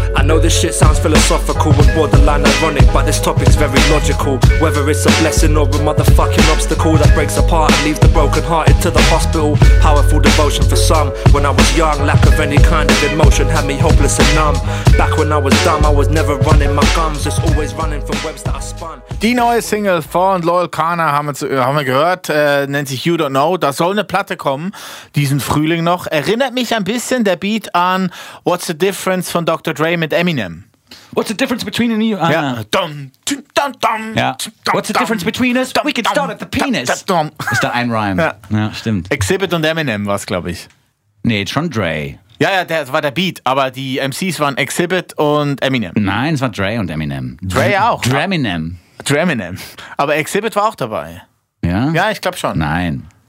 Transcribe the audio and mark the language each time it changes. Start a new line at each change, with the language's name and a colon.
English: I know this shit sounds philosophical and borderline ironic, but this topic's very logical. Whether it's a blessing or a motherfucking obstacle that breaks apart and leaves the brokenhearted to the hospital. Powerful devotion for some. When I was young, lack of any kind of emotion had me hopeless and numb. Back when I was dumb, I was never running my gums, just always running from webs that I spun.
German: Die neue Single von Loyal Connor haben wir gehört, nennt sich You Don't Know. Da soll eine Platte kommen, diesen Frühling noch. Erinnert mich ein bisschen der Beat an What's the Difference von Dr. Dre mit Eminem.
English: What's the difference between you? Ja. Dum, dum, dum, dum.
German: Ja.
English: What's the difference between us? We could start at the penis.
German: Ist da ein Rhyme. Ja. Ja, stimmt. Exhibit und Eminem war es, glaube ich. Nee, John Dre. Ja, ja, das war der Beat, aber die MCs waren Exhibit und Eminem. Nein, es war Dre und Eminem. Dre auch. Draminem. Draminem. Aber Exhibit war auch dabei. Ja? Ja, ich glaube schon. Nein.